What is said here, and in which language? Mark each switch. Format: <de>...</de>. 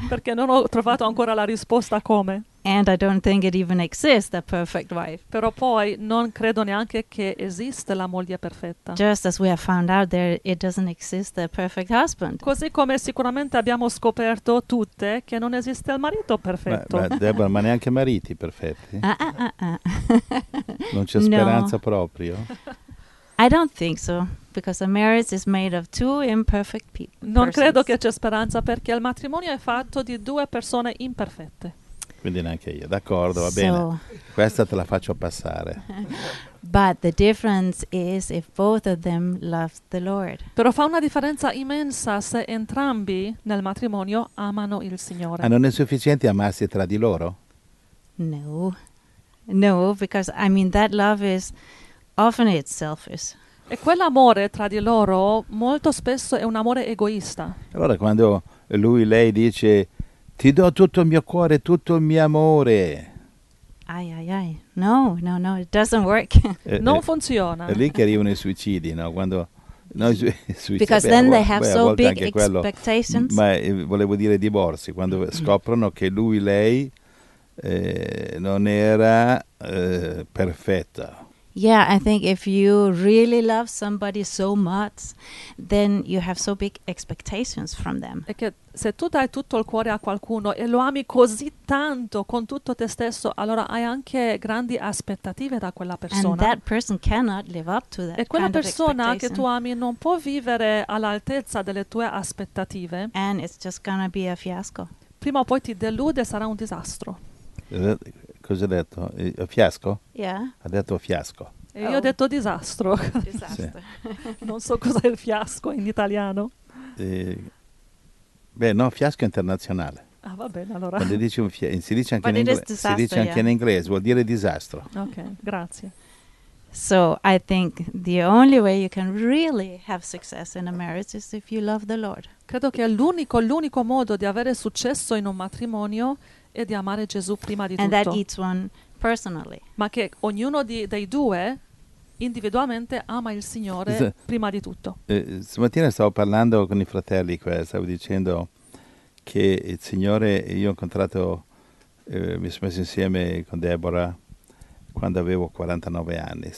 <it>Perché non ho trovato ancora la risposta come.</it> <en>And I don't think it even exists, a perfect wife.</en> <it>Però poi non credo neanche che esista la moglie perfetta.</it> <en>Just as we have found out there, it doesn't exist, a perfect husband.</en> <it>Così come sicuramente abbiamo scoperto tutte che non esiste il marito perfetto. Ma Deborah, ma neanche mariti perfetti? Ah. Non c'è speranza no. Proprio?</it> <en>I don't think so, because a marriage is made of two imperfect people.</en> <it>Non credo che c'è speranza perché il matrimonio è fatto di due persone imperfette. Quindi neanche io, d'accordo, va bene. Questa te la faccio passare.</it> <en>But the difference is if both of them love the Lord.</en> <it>Però fa una differenza immensa se entrambi nel matrimonio amano il Signore. Ah, non è sufficiente amarsi tra di loro? No.</it> <en>No, because I mean that love is often it's selfish.</en> <it>E quell'amore tra di loro molto spesso è un amore egoista. Allora quando lui lei dice ti do tutto il mio cuore, tutto il mio amore.</it> <en>Ai, ai, ai. No, no, no, it doesn't work.</en> <it>Non funziona. È lì che arrivano i suicidi, no? Quando noi suicidiamo.</it> <en>Because then they have so big expectations.</en> <it>Ma volevo dire divorzi, quando scoprono che lui, lei non era perfetta.</it> <en>Yeah, I think if you really love somebody so much, then you have so big expectations from them.</en> <it>Perché se tu dai tutto il cuore a qualcuno e lo ami così tanto con tutto te stesso, allora hai anche grandi aspettative da quella persona.</it> <en>And that person cannot live up to that.</en> <it>E quella</it> <en>kind</en> <it>persona</it> <en>of</en> <it>che tu ami non può vivere all'altezza delle tue aspettative.</it> <en>And it's just gonna be a fiasco.</en> <it>Prima o poi ti delude, sarà un disastro. Cosa ha detto? A fiasco?</it> <en>Yeah.</en> <it>Ha detto fiasco. E io ho detto disastro. Disastro. Non so cos'è il fiasco in italiano. Fiasco internazionale. Ah, va bene, allora. Quando dici un si dice anche, in inglese, vuol dire disastro. Ok, grazie.</it> <en>So, I think the only way you can really have success in a marriage is if you love the Lord.</en> <it>Credo che l'unico modo di avere successo in un matrimonio e di amare Gesù prima di</it> <en>and</en> <it>tutto.</it> <en>That each one personally.</en> <it>Ma che ognuno dei due individualmente ama il Signore prima di tutto. Stamattina stavo parlando con i fratelli qua, stavo dicendo che il Signore, io ho incontrato, mi sono messo insieme con Deborah quando avevo 49 anni.</it>